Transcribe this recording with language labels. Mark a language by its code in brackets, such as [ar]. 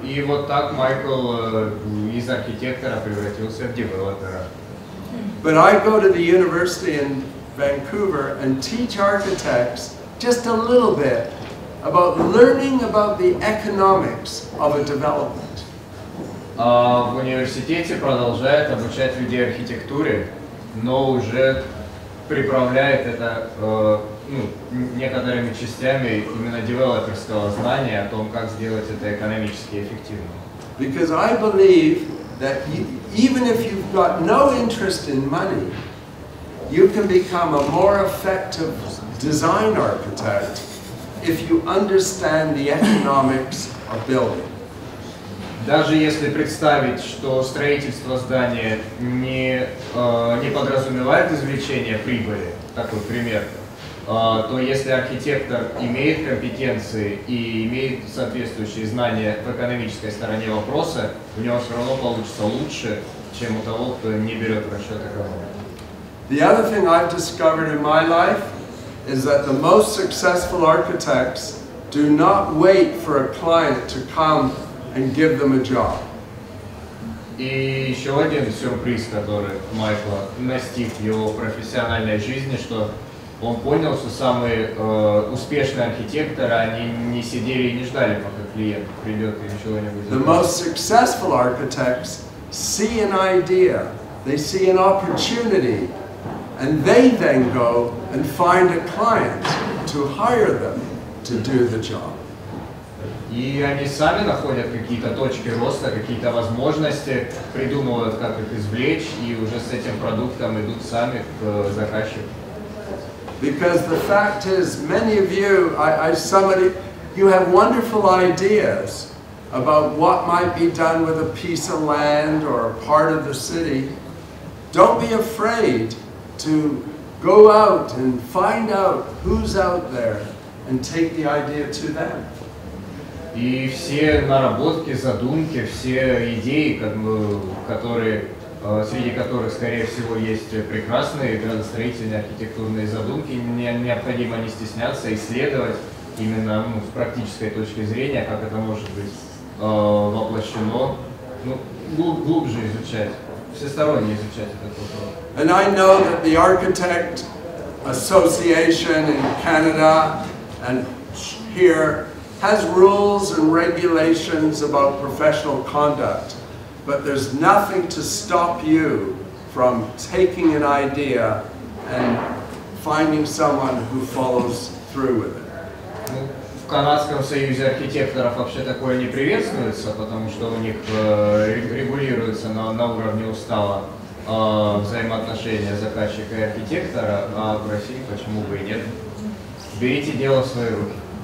[ru] И вот так Майкл из архитектора превратился в девелопера. [en] But I go to the university in Vancouver and teach architects just a little bit about learning about the economics of a development. [ru] В университете продолжает обучать людей архитектуре, но уже приправляет это некоторыми частями именно девелоперского знания о том, как сделать это экономически эффективно. [en] Because I believe that even if you've got no interest in money, you can become a more effective design architect if you understand the economics of building. [ru] Даже если представить, что строительство здания не подразумевает извлечение прибыли, такой пример, то если архитектор имеет компетенции и имеет соответствующие знания в экономической стороне вопроса, у него все равно получится лучше, чем у того, кто не берет в расчет экономику. [en] The other thing I've discovered in my life is that the most successful architects do not wait for a client to come and give them a job. [ru] И еще один сюрприз, который Майкла настиг в его профессиональной жизни, что он понял, что самые успешные архитекторы, они не сидели и не ждали, пока клиент придет и чего-нибудь. [en] The most successful architects see an idea, they see an opportunity, and they then go and find a client to hire them to do the job. [ru] И они сами находят какие-то точки роста, какие-то возможности, придумывают, как их извлечь, и уже с этим продуктом идут сами к заказчику. [en] Because the fact is, many of you, you have wonderful ideas about what might be done with a piece of land or a part of the city. Don't be afraid to go out and find out who's out there and take the idea to them. [ru] И все наработки, задумки, все идеи, которые, среди которых, скорее всего, есть прекрасные градостроительные архитектурные задумки, необходимо не стесняться исследовать именно с практической точки зрения, как это может быть воплощено, глубже изучать, всесторонне изучать этот вопрос. [en] And I know that the Architect Association in Canada and here has rules and regulations about professional conduct, but there's nothing to stop you from taking an idea and finding someone who follows through with it. [ru] Канадском союзе архитекторов вообще такое не приветствуется, потому что у них регулируется на уровне устава взаимоотношения заказчика и архитектора, а в России почему бы и нет. Берите дело в свои руки.